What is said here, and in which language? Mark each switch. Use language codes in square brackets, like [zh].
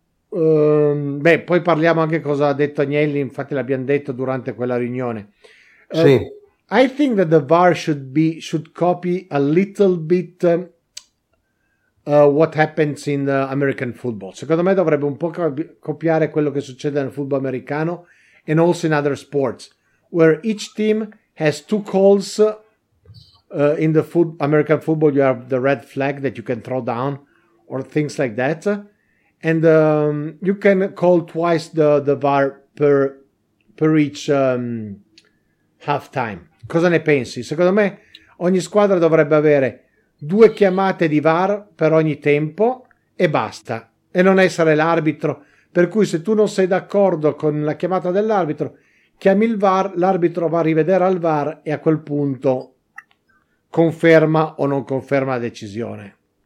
[it] Poi parliamo anche cosa ha detto Agnelli, infatti l'abbiamo detto durante quella riunione. Sì. [en] I think that the VAR should copy a little bit what happens in American football. [it] Secondo me dovrebbe un po' copiare quello che succede nel football americano, [en] and also in other sports, where each team has two calls. In the American football, you have the red flag that you can throw down, or things like that. And you can call twice the VAR per each half time. [it] Cosa ne pensi? Secondo me ogni squadra dovrebbe avere due chiamate di VAR per ogni tempo e basta. E non essere l'arbitro. Per cui se tu non sei d'accordo con la chiamata dell'arbitro, chiami il VAR, l'arbitro va a rivedere al VAR e a quel punto conferma o non conferma la decisione.